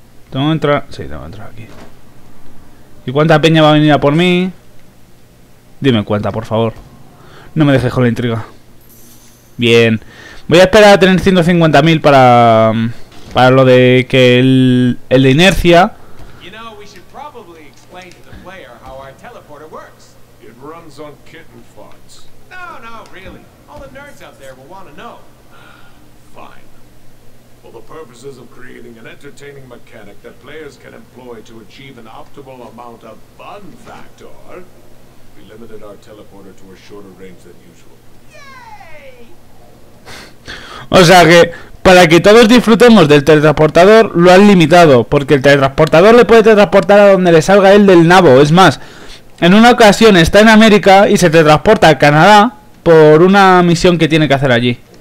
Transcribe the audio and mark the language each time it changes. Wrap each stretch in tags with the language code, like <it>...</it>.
<es>Tengo que entrar. Sí, tengo que entrar aquí. ¿Y cuánta peña va a venir a por mí? Dime cuenta, por favor. No me dejes con la intriga. Bien. Voy a esperar a tener 150.000 para lo de que el de inercia.</es> <en>You know, we should probably explain to the player how our teleporter works. It runs on kitten farts. No, really. All the nerds out there will want to know. Fine. For the purposes of creating an entertaining mechanic that players can employ to achieve an optimal amount of fun factor, we limited our teleporter to a shorter range than usual. Yeah!</en> <es>O sea que para que todos disfrutemos del teletransportador lo han limitado, porque el teletransportador le puede teletransportar a donde le salga él del nabo. Es más, en una ocasión está en América y se teletransporta a Canadá por una misión que tiene que hacer allí.</es>